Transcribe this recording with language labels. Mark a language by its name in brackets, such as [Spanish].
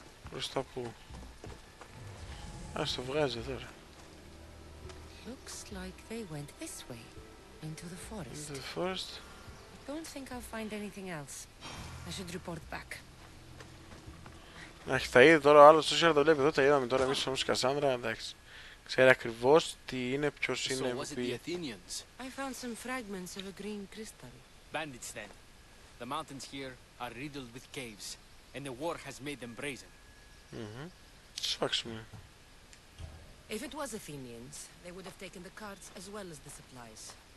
[Greek] Προς τα που. Ας το βγάζει τώρα. [English] Looks like they went this way. Into the forest. Into the forest. I don't think I'll find anything else. I should report back. [Greek] Αχ, τα είδε τώρα ο άλλος, τόσο το βλέπει εδώ, τα είδαμε τώρα εμείς όμως Κασάνδρα, εντάξει. Ξέρει ακριβώς τι είναι, ποιος είναι, ποιοι. [English] I found some fragments of a green crystal. Bandits then. The mountains here are riddled with caves, and the war has made them brazen. [Greek] Σφάξουμε. [English] If it was Athenians, they would have taken the carts as well as the supplies.